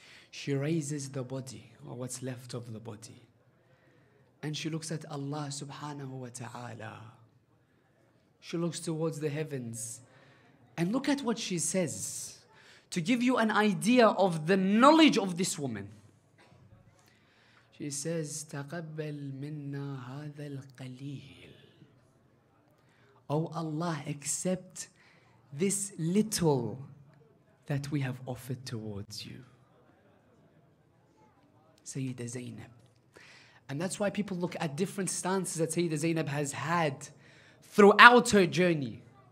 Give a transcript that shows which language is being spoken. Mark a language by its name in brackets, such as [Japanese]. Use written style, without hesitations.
[English] She raises the body, or what's left of the body. And she looks at Allah subhanahu wa ta'ala. She looks towards the heavens. And look at what she says. To give you an idea of the knowledge of this woman. She says, [Arabic] تَقَبَّلْ مِنَّا هَذَا الْقَلِيلِ. [English] Oh Allah, accept this little that we have offered towards you. Sayyida Zaynab. And that's why people look at different stances that Sayyida Zaynab has had throughout her journey.